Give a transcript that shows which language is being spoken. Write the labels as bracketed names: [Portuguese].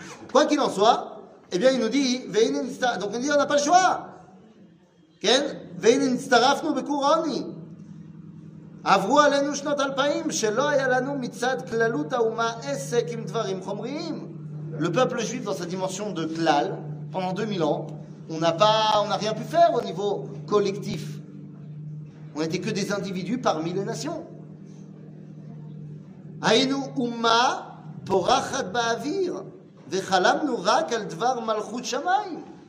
[French] Quoi qu'il en soit, eh bien il nous dit, donc il dit, on n'a pas le choix. [Hebrew] כן? והנה נצטרפנו בקור עוני. עברו עלינו שנות אלפיים שלא היה לנו מצד כללות האומה עסק עם דברים חומריים. [French] Le peuple juif dans sa dimension de klal, pendant 2000 ans, on n'a rien pu faire au niveau collectif. On n'était que des individus parmi les nations. [Hebrew] היינו אומה פורחת באוויר וחלמנו רק על דבר מלכות שמיים.